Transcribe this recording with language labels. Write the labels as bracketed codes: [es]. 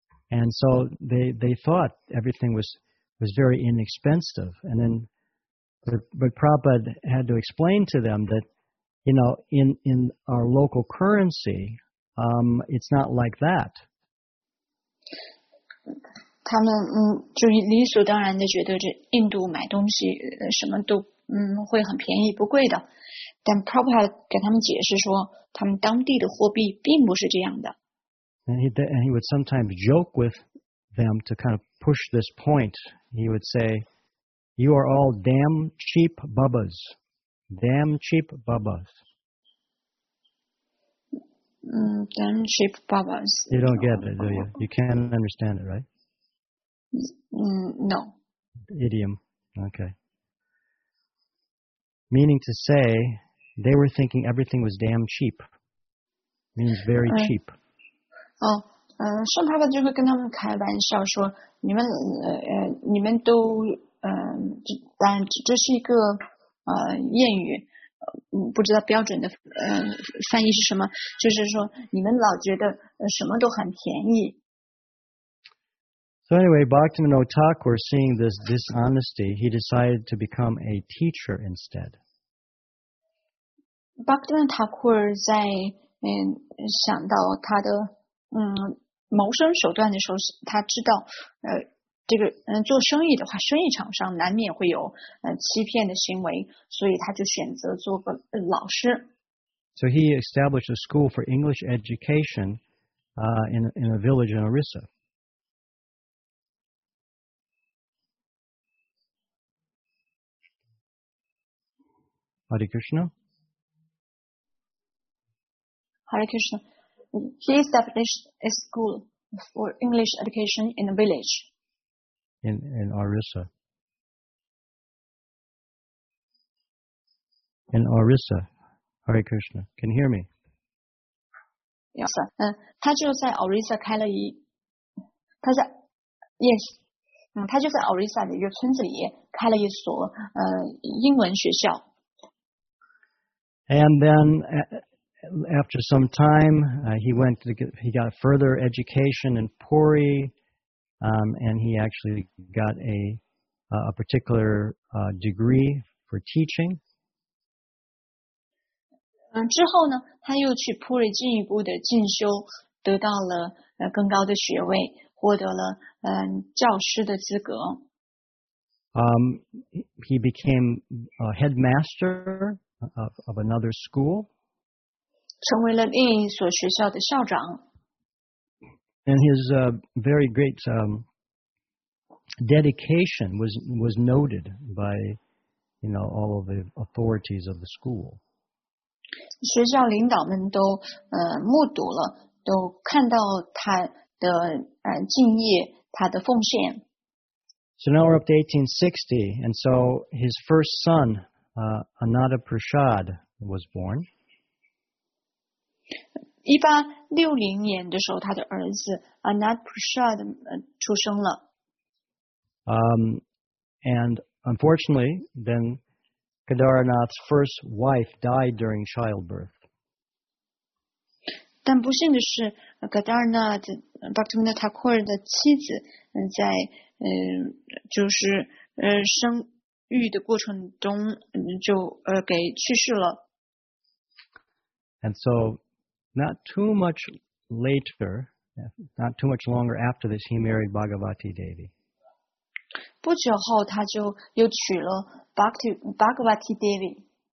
[en] And so they thought everything was very inexpensive, and then but Prabhupada had to explain to them that. You know, in our local currency, it's not like that. [zh] 他们就理所当然的觉得这印度买东西什么都会很便宜不贵的，但 Prabhupada 给他们解释说，他们当地的货币并不是这样的。 [en] And he would sometimes joke with them to kind of push this point. He would say, "You are all damn cheap Bubbas." Damn cheap Bubbas. Damn cheap Bubbas. You don't get it, do you? You can't understand it, right? No. Idiom. Okay. Meaning to say, they were thinking everything was damn cheap. Means very cheap. [zh] 圣帕帕就会跟他们开玩笑说，你们都但这是一个。谚语，不知道标准的翻译是什么，就是说你们老觉得什么都很便宜。 [en] So anyway, Bhaktivinoda Thakur, seeing this dishonesty, he decided to become a teacher instead. [zh] Bhaktivinoda Thakur 在想到他的谋生手段的时候，他知道这个做生意的话，生意场上难免会有欺骗的行为，所以他就选择做个老师。 [en] So he established a school for English education, in a village in Orissa. Hare Krishna. Hare Krishna. He established a school for English education in a village. In Orissa. In Orissa. Hare Krishna, can you hear me? Yes, sir. [zh] 他就在 Orissa 开了一，他在 ，yes， 他就在 Orissa 的一个村子里开了一所英文学校。 [en] And then after some time, he went to he got further education in Puri, and he actually got a particular degree for teaching. [zh] 之后呢，他又去普瑞进一步的进修，得到了更高的学位，获得了教师的资格。 [en] He became a headmaster of another school. [zh] 成为了另一所学校的校长。 [en] And his very great dedication was noted by, you know, all of the authorities of the school. [zh] 学校领导们都目睹了，都看到他的敬业，他的奉献。 [en] So now we're up to 1860, and so his first son, Ananda Prasad, was born. [zh] 1860年的时候，他的儿子 Ananda Prasad 出生了。 [en] And unfortunately, then. Kedaranath's first wife died during childbirth. [zh] 但不幸的是 ，Kedaranath Bhaktivinoda Thakur 的妻子在就是生育的过程中就给去世了。 [en] And so, not too much later, not too much longer after this, he married Bhagavati Devi. [zh] 不久后，他就又娶了 Bhagavati Devi.